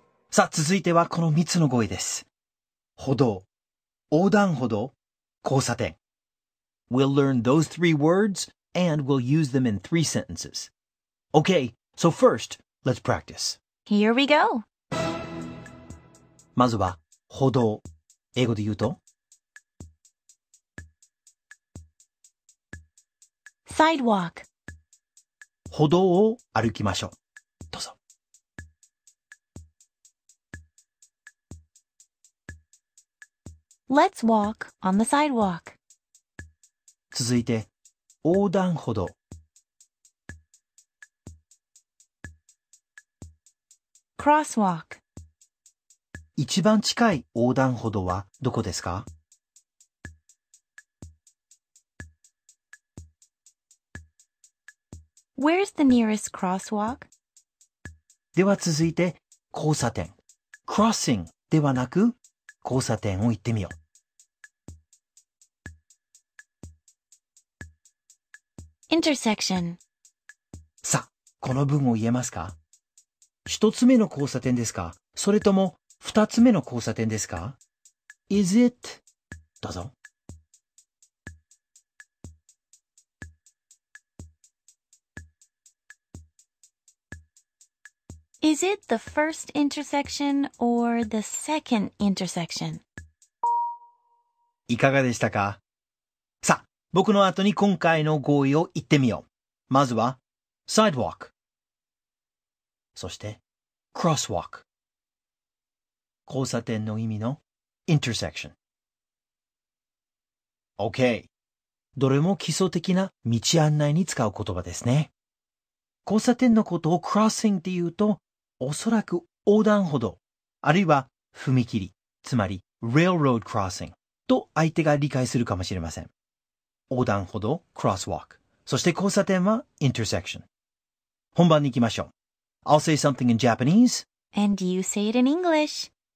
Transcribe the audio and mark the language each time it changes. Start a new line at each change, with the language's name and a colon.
Japanese: さあ、続いてはこの3つの語彙です。歩道、横断歩道、交差点。
English: We'll learn those three words and we'll use them in three sentences. Okay, so first, let's practice. Here we go.
Japanese: まずは、歩道。英語で言うと、
English: Sidewalk.
Japanese: 歩道を歩きましょう。どうぞ。
English: Let's walk on the sidewalk.
Japanese: 続いて、横断歩道。
English: Crosswalk.
Japanese: 一番近い横断歩道はどこですか？
English: Where's the nearest crosswalk?
Japanese: では続いて、交差点。 Crossing ではなく、交差点を言ってみよう。
English: Intersection.
Japanese: さあ、この文を言えますか？一つ目の交差点ですか？それとも二つ目の交差点ですか？
English: Is it?
Japanese: どうぞ。
English: Is it the first intersection or the second intersection?
Japanese: いかがでしたか？さあ、僕の後に今回の語彙を言ってみよう。まずは、sidewalk。そして、crosswalk。交差点の意味の intersection。
English: OK。
Japanese: どれも基礎的な道案内に使う言葉ですね。交差点のことを crossing って言うと、おそらく横断歩道、あるいは踏切、つまり railroad crossing と相手が理解するかもしれません。横断歩道、crosswalk。そして交差点は intersection。本番に行きましょう。
English: I'll say something in Japanese. And you say it in English.